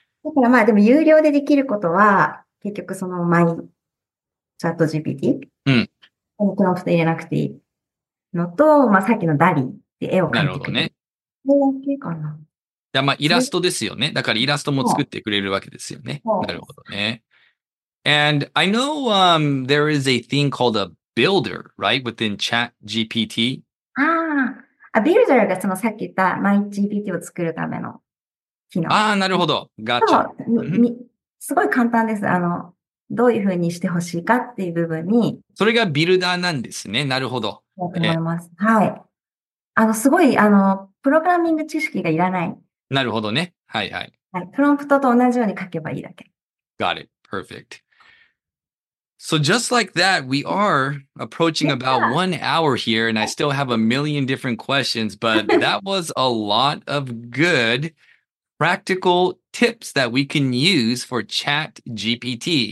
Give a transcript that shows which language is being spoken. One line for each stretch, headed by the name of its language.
Japanese: だからまあでも有料でできることは、結局そのマイチャット GPT。うん。プロンプト入れなくていいのと、まあさっきのダリーで絵を描いてくれる。なるほどね。大きいかな。まあ、イラストですよね。だからイラストも作ってくれるわけですよね。なるほどね。
English: And I know, there is a thing called a builder, right, within chat GPT.
Japanese: ああ、builder がそのさっき言った My GPT を作るための機能。ああ、なるほど。
English: Gotcha.
Japanese: すごい簡単です。どういうふうにしてほしいかっていう部分に。それがビルダーなんですね。なるほど。だと思います。はい。すごい、プログラミング知識がいらない。なるほどね。はいはい。はい。プロンプトと同じように書けばいいだけ。
English: Got it. Perfect. So just like that, we are approaching about 1 hour here, and I still have a million different questions, but that was a lot of good practical tips that we can use for ChatGPT.